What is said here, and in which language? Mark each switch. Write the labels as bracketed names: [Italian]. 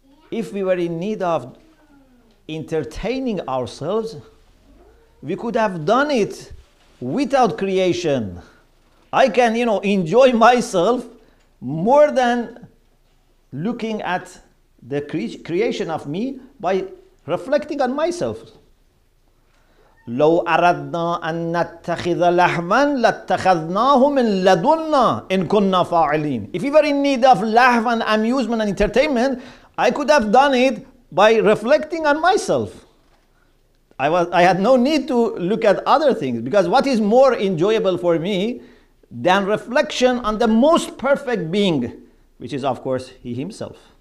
[English] If we were in need of entertaining ourselves, we could have done it without creation. I can, you know, enjoy myself more than looking at the creation of me by reflecting on myself. [Arabic] لو أردنا أن نتخذ لحما لاتخذناه من لدنا إن كنا فاعلين. [English] If we were in need of laugh and amusement and entertainment, I could have done it by reflecting on myself. I had no need to look at other things, because what is more enjoyable for me than reflection on the most perfect being, which is of course He Himself.